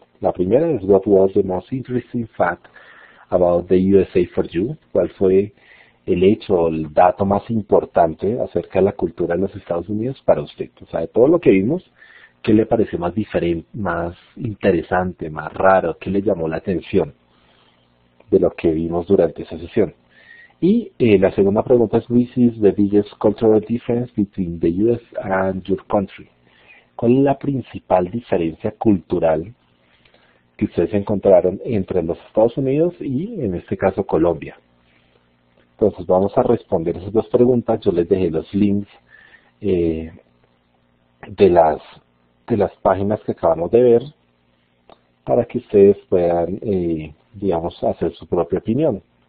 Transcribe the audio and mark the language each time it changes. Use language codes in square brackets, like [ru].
[es] La primera es, [en] what was the most interesting fact about the USA for you? [es] ¿Cuál fue el hecho o el dato más importante acerca de la cultura de los Estados Unidos para usted? O sea, de todo lo que vimos, ¿qué le pareció más diferente, más interesante, más raro? ¿Qué le llamó la atención de lo que vimos durante esa sesión? Y la segunda pregunta es, [en] which is the biggest cultural difference between the US and your country? [es] ¿Cuál es la principal diferencia cultural que ustedes encontraron entre los Estados Unidos y, en este caso, Colombia? Entonces, vamos a responder esas dos preguntas. Yo les dejé los links de las páginas que acabamos de ver para que ustedes puedan, digamos, hacer su propia opinión.